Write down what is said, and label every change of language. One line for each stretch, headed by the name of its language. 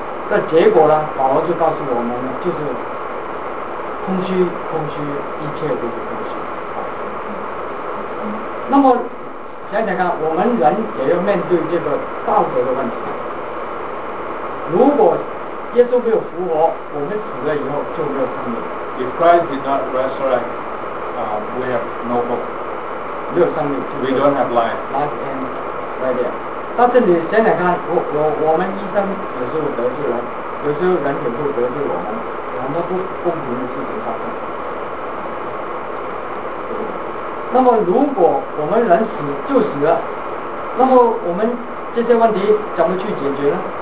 Chinese: 那结果呢，保罗就告诉我们就是空虚，空虚，一切都是空虚。那么想想看，我们人也要面对这个道德的问题。如果耶稣没有复活，我们死了以后就没有生命。
English: If Christ did not resurrect, we have no hope.
Chinese: 没有生命就是。
English: We don't have life. Life ends right there.
Chinese: 但是你想想看，我们一生有时候得罪人，有时候人也会得罪我们，很多不公平的事情发生。那么如果我们人死就死了，那么我们这些问题怎么去解决呢？